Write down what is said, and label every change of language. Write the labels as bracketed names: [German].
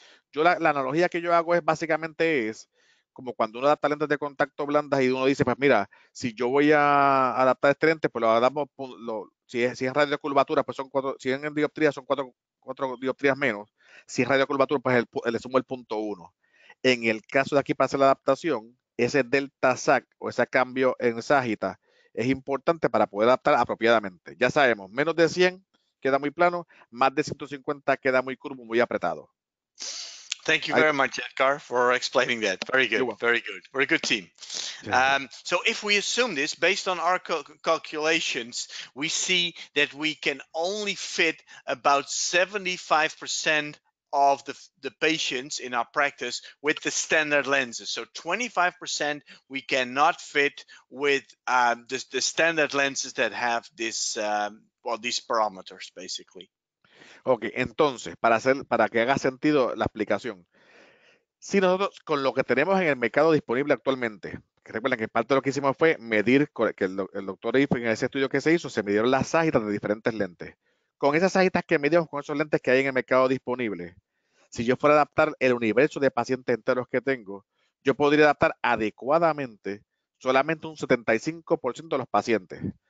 [Spanish] Yo la analogía que yo hago es básicamente es como cuando uno adapta lentes de contacto blandas y uno dice, pues mira, si yo voy a adaptar este lente, pues lo adaptamos, si es radio curvatura, pues son cuatro, si es en dioptrías son cuatro dioptrías menos, si es radio curvatura, pues le sumo el punto uno. En el caso de aquí para hacer la adaptación, ese delta sag o ese cambio en sagita es importante para poder adaptar apropiadamente. Ya sabemos, menos de 100 queda muy plano, más de 150 queda muy curvo, muy apretado. [English] Thank you very much, Edgar, for explaining that. Very good, very good. We're a good team. So if we assume this, based on our calculations, we see that we can only fit about 75% of the patients in our practice with the standard lenses. So 25% we cannot fit with the standard lenses that have this, these parameters, basically. [Spanish] Ok, entonces, para que haga sentido la explicación, si nosotros con lo que tenemos en el mercado disponible actualmente, que recuerden que parte de lo que hicimos fue medir, que el doctor Eef en ese estudio que se hizo, se midieron las sagitas de diferentes lentes. Con esas sagitas que medimos, con esos lentes que hay en el mercado disponible, si yo fuera a adaptar el universo de pacientes enteros que tengo, yo podría adaptar adecuadamente solamente un 75% de los pacientes.